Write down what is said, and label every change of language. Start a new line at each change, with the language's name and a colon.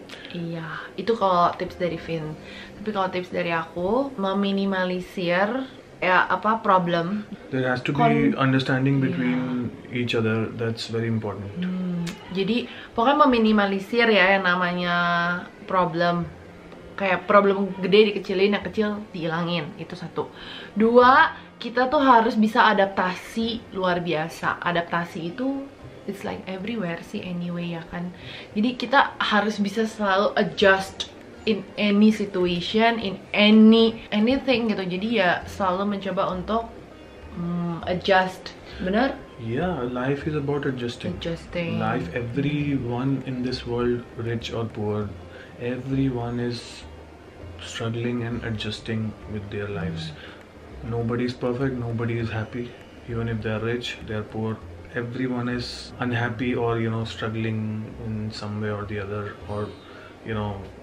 Indonesian: Iya, itu kalau tips dari Vin. Tapi kalau tips dari aku, meminimalisir ya apa problem.
English: There has to be understanding between each other. That's very important.
Indonesian: Jadi pokoknya meminimalisir ya yang namanya problem. Kayak problem gede dikecilin, yang kecil dihilangin. Itu satu. Dua, kita tuh harus bisa adaptasi luar biasa. Adaptasi itu
English: it's like everywhere
Indonesian: sih anyway ya kan. Jadi kita harus bisa selalu adjust
English: in any situation, in anything gitu.
Indonesian: Jadi ya selalu mencoba untuk adjust, benar?
English: Yeah, life is about adjusting. Adjusting. Life, everyone in this world, rich or poor, everyone is struggling and adjusting with their lives. Nobody is perfect, nobody is happy. Even if they're rich, they're poor, everyone is unhappy or, you know, struggling in some way or the other, or, you know.